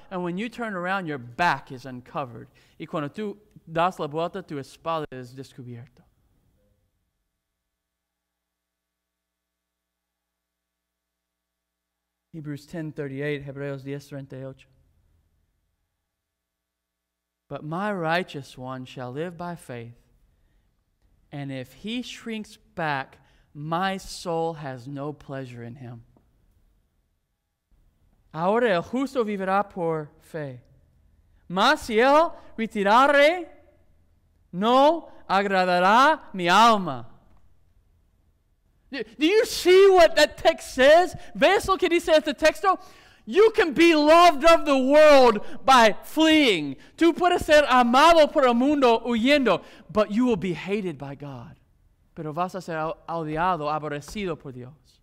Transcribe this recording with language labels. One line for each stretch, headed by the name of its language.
English: And when you turn around, your back is uncovered.
Spanish: Y cuando tú das la vuelta, tu espada es descubierto.
English: Hebrews 10:38, Hebreos 10:38. But my righteous one shall live by faith, and if he shrinks back, my soul has no pleasure in him.
Spanish: Ahora el justo vivirá por fe, mas si él retirare, no agradará mi alma.
English: Do you see what that text says?
Spanish: ¿Ves lo que dice este texto?
English: You can be loved of the world by fleeing.
Spanish: Tú puedes ser amado por el mundo huyendo,
English: but you will be hated by God.
Spanish: Pero vas a ser odiado, aborrecido por Dios.